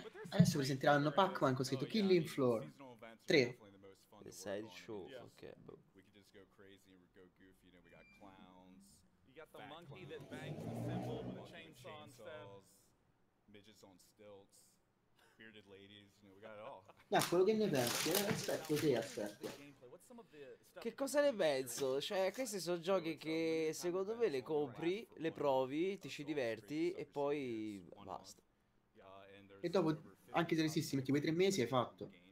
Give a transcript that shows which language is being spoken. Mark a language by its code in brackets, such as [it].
[it] Adesso presenteranno Pac-Man con scritto Killing Floor 3. [en] The side show, ok. We could just go crazy, we go goofy, you know, we got clowns. You got the monkey that bangs the cymbal with a chainsaw and stuff. Midgets on stilts, bearded ladies, you know, we got it all. [it] Ah, quello che ne pensi, aspetto te, aspetto. Che cosa ne penso? Cioè, questi sono giochi che secondo me le compri, le provi, ti ci diverti e poi basta. E dopo, anche se resisti, metti quei 3 mesi, hai fatto.